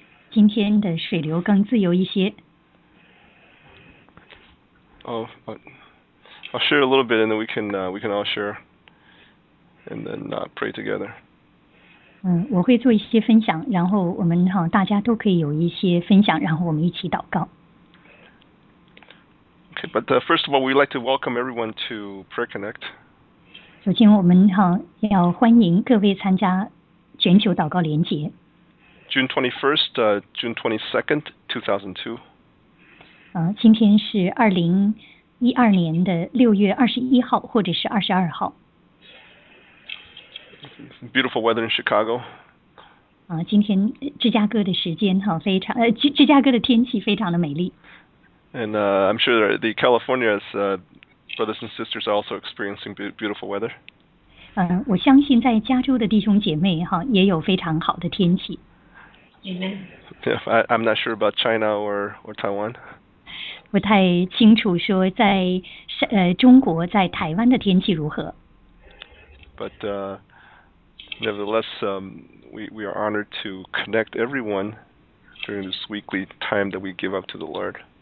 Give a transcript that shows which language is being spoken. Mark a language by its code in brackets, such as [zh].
[zh] 今天的水流更自由一些。 [en] I'll share a little bit, and then we can all share, and then pray together. [zh] 我会做一些分享，然后我们哈大家都可以有一些分享，然后我们一起祷告。 [en] Okay, but first of all, we'd like to welcome everyone to Prayer Connect. [zh] 首先，我们哈要欢迎各位参加全球祷告联结。 [en] June 21st, June 22nd, 2002. [zh] 今天是2012年的6月21号，或者是22号。 [en] Beautiful weather in Chicago. [zh] 今天芝加哥的时间哈非常芝加哥的天气非常的美丽。 [en] And I'm sure that the California's brothers and sisters are also experiencing beautiful weather. [zh] 我相信在加州的弟兄姐妹哈也有非常好的天气。 [en] Yeah, I'm not sure about China or Taiwan. [zh] 不太清楚说在中国在台湾的天气如何。 [en] But nevertheless, we are honored to connect everyone during this weekly time that we give up to the Lord.